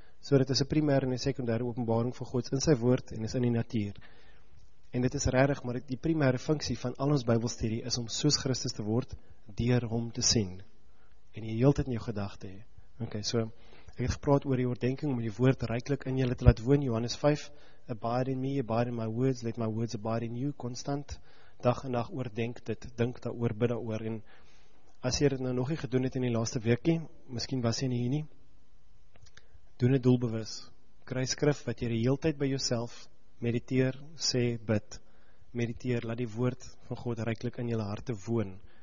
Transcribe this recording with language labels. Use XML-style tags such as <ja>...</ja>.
<af>So dit is 'n primêre en 'n sekondêre openbaring van God in sy woord en is in die natuur. En dit is regtig, maar die primêre funksie van al ons Bybelstudie is om soos Christus te word deur hom te sien en die hele tyd in jou gedagte hê. Okay, so ek het gepraat oor die oordenking om die woord ryklik in julle te laat woon.</af> <en>Johannes 5, abide in me, abide in my words, let my words abide in you, constant.</en> <af>Dag en nag oordenk dit, dink daaroor, bid daaroor. En as jy dit nou nog nie gedoen het in die laaste weekie, miskien was jy nie hier nie, doen dit doelbewus. Kry skrif wat jy die hele tyd by jouself mediteer, sê, bid. Mediteer, laat die woord van God ryklik in jou harte woon.</af>